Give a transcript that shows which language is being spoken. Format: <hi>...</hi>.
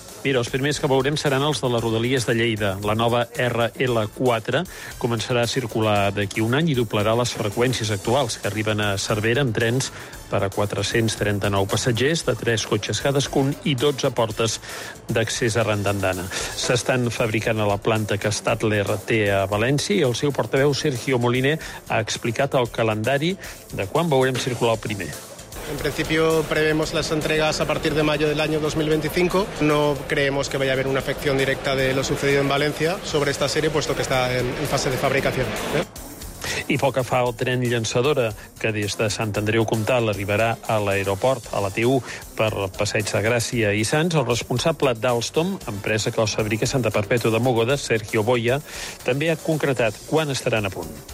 <ca>Mira, els primers que veurem seran els de les Rodalies de Lleida. La nova RL4 començarà a circular d'aquí un any i doblarà les freqüències actuals, que arriben a Cervera amb trens per a 439 passatgers de 3 cotxes cadascun i 12 portes d'accés arran d'andana. S'estan fabricant a la planta que Stadler té a València i el seu portaveu, Sergio Moliner, ha explicat el calendari de quan veurem circular el primer.</ca> <es>En principio prevemos las entregas a partir de mayo del año 2025. No creemos que vaya a haber una afección directa de lo sucedido en Valencia sobre esta serie, puesto que está en fase de fabricación.</es> <ca>I pel que fa al tren llançadora, que des de Sant Andreu Comtal arribarà a l'aeroport, a la T1, per Passeig de Gràcia i Sants, el responsable d'Alstom, empresa que el fabrica Santa Perpètua de Mogoda, Sergio Boya, també ha concretat quan estaran a punt.</ca>